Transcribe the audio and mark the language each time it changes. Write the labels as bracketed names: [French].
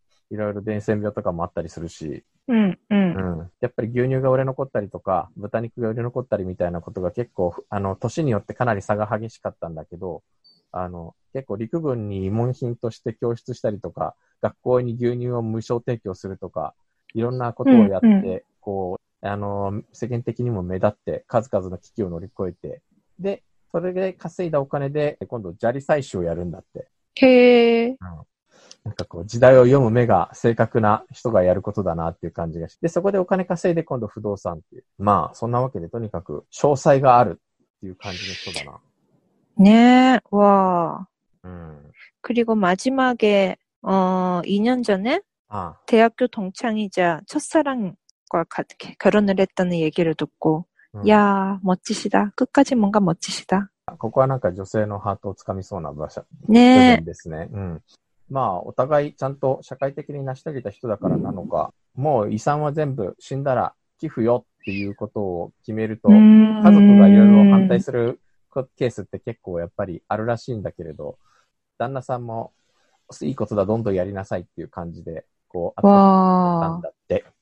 [Japanese] いろいろ伝染病とかもあったりするし。やっぱり牛乳が売れ残ったりとか、豚肉が売れ残ったりみたいなことが結構、年によってかなり差が激しかったんだけど、結構陸軍に慰問品として供出したりとか、学校に牛乳を無償提供するとか、いろんなことをやって、世間的にも目立って、数々の危機を乗り越えて、で、それで稼いだお金で、今度砂利採取をやるんだって。へぇ、なんかこう、時代を読む目が正確な人がやることだなっていう感じがして。で、そこでお金稼いで今度不動産っていう。まあ、そんなわけでとにかく、詳細があるっていう感じの人だな。ねえ、わぁ。 [Korean] 그리고마지막에、2년전에、대학교동창이자첫사랑과결혼을했다는얘기를듣고、야멋지시다끝까지뭔가멋지시다 [Japanese] ここはなんか女性のハートをつかみそうな場所、ね、部分ですね。うん。まあ、お互いちゃんと社会的に成し遂げた人だからなのか、うん、もう遺産は全部死んだら寄付よっていうことを決めると、家族がいろいろ反対するケースって結構やっぱりあるらしいんだけれど、旦那さんも、いいことだ、どんどんやりなさいっていう感じで、こう、あったんだって。